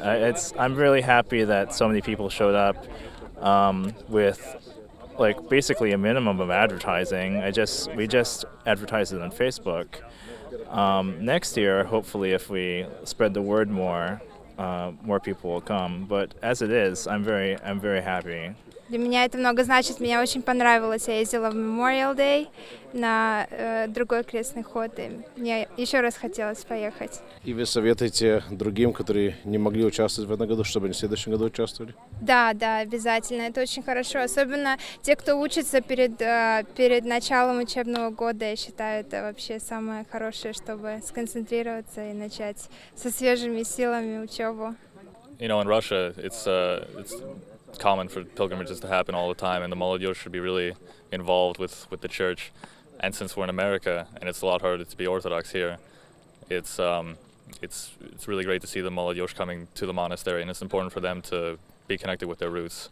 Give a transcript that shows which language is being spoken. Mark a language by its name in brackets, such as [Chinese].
[English] I'm really happy that so many people showed up with like basically a minimum of advertising. We just advertised it on Facebook. Next year, hopefully, if we spread the word more, more people will come. But as it is, I'm very happy. [Russian] Для меня это много значит. Мне очень понравилось. Я ездила в Memorial Day на другой крестный ход, и мне еще раз хотелось поехать. И вы советуете другим, которые не могли участвовать в этом году, чтобы они в следующем году участвовали? Да, обязательно. Это очень хорошо, особенно те, кто учится перед началом учебного года. Я считаю, это вообще самое хорошее, чтобы сконцентрироваться и начать со свежими силами учебу. [English] You know, in Russia, it's common for pilgrimages to happen all the time, and the молодежь should be really involved with the church. And since we're in America, and it's a lot harder to be Orthodox here, it's really great to see the молодежь coming to the monastery, and it's important for them to be connected with their roots.